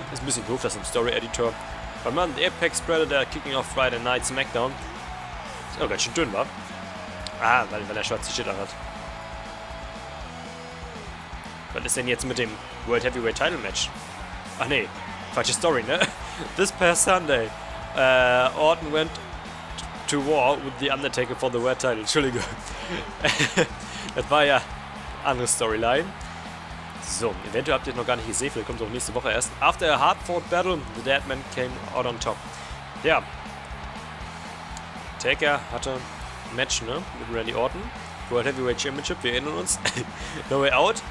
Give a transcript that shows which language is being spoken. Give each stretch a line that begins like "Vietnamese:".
German: Ist ein bisschen doof, das im Story-Editor. Weil man, der
English: Apex Predator kicking off Friday Night Smackdown.
German: Ist aber ganz schön dünn, wa? Ah, weil er schwarze Schilder hat. Was ist denn jetzt mit dem World Heavyweight Title Match? Ach ne, falsche Story, ne?
English: This past Sunday, Orton went to war with the Undertaker for the World Title.
German: Entschuldigung. Das war ja andere Storyline. So, eventuell habt ihr es noch gar nicht gesehen, vielleicht kommt es auch nächste Woche erst.
English: After a hard-fought battle, the Deadman came out on top.
German: Ja. Taker hatte ein Match, ne, mit Randy Orton. World Heavyweight Championship, wir erinnern uns. No Way Out.